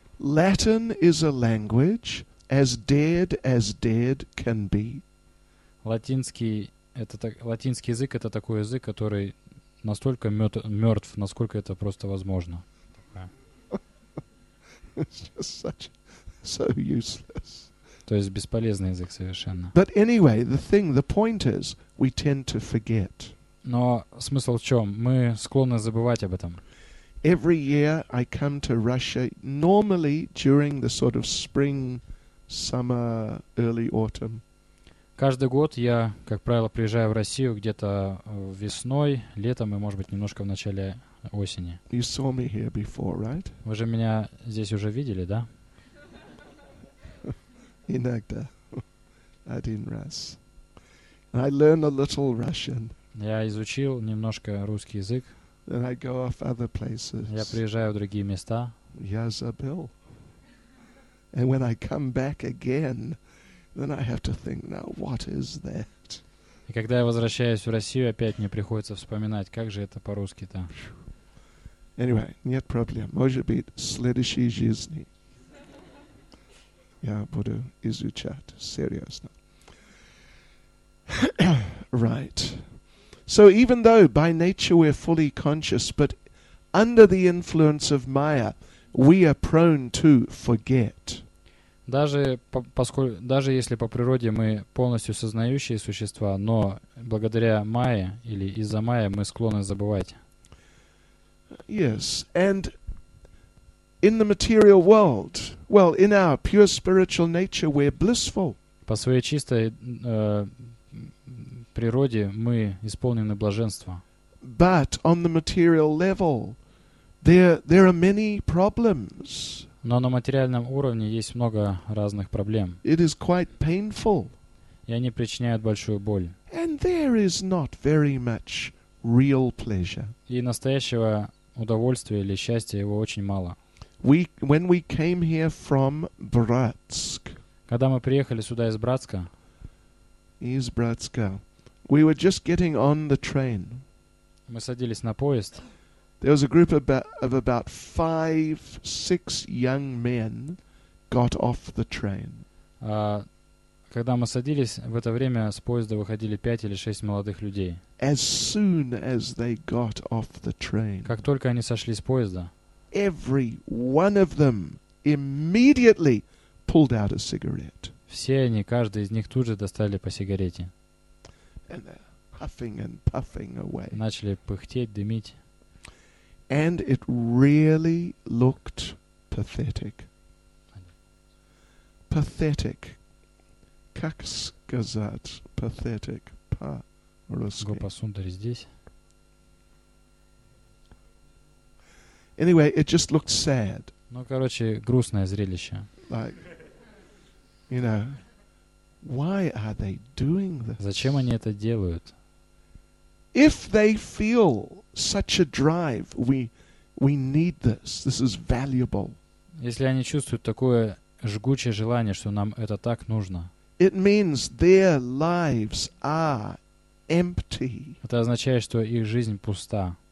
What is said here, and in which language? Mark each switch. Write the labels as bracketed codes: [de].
[en] Latin is a language as dead can be. [ru] Латинский язык — это такой язык, который настолько мертв, насколько это просто возможно. [en] It's just such, so useless. [ru] То есть бесполезный язык совершенно. [en] But anyway, the thing, the point is, we tend to forget. [ru] Но смысл в чем? Мы склонны забывать об этом. [en] Every year I come to Russia, normally during the sort of spring, summer, early autumn. [ru] Каждый год я, как правило, приезжаю в Россию где-то весной, летом и, может быть, немножко в начале осени. [en] You saw me here before, right? [ru] Вы же меня здесь уже видели, да? Иногда. Один раз. [en] I learn a little Russian. [ru] Я изучил немножко русский язык. [en] Then I go off other places. [ru] Я приезжаю в другие места. Я забыл. [en] And when I come back again, then I have to think, now what is that? [ru] И когда я возвращаюсь в Россию, опять мне приходится вспоминать, как же это по-русски-то. Anyway, нет проблем. Может быть, в следующей жизни я буду изучать серьезно. [en] Right. So even though by nature we're fully conscious, but under the influence of Maya, we are prone to forget. [ru] Даже если по природе мы полностью сознающие существа, но благодаря Майе или из-за Майи мы склонны забывать. [en] Yes, and in the material world, well, in our pure spiritual nature, we're blissful. [ru] По своей чистой природе мы исполнены блаженства. [en] But on the material level, there are many problems. [ru] Но на материальном уровне есть много разных проблем. [en] It is quite painful. [ru] И они причиняют большую боль. [en] And there is not very much real pleasure. [ru] И настоящего удовольствия или счастья его очень мало. [en] When we came here from Bratsk. [ru] Когда мы приехали сюда из Братска. Из Братска. [en] We were just getting on the train. [ru] Мы садились на поезд. [en] There was a group of about 5-6 young men got off the train. [ru] Когда мы садились, в это время с поезда выходили 5 или 6 молодых людей. [en] As soon as they got off the train. [ru] Как только они сошли с поезда. [en] Every one of them immediately pulled out a cigarette. [ru] Все они, каждый из них тут же достали по сигарете. [en] And they're huffing and puffing away. [ru] Начали пыхтеть, дымить. [en] And it really looked pathetic. [ru] Pathetic. Как сказать pathetic по-русски? Группа Сундари здесь. [en] Anyway, it just looked sad. [ru] Ну, короче, грустное зрелище. [en] Like, you know, why are they doing this? [ru] Зачем они это делают? [en] If they feel such a drive, we need this. This is valuable. [ru] Если они чувствуют такое жгучее желание, что нам это так нужно. [en] It means their lives are empty. [ru] Это означает, что их жизнь пуста.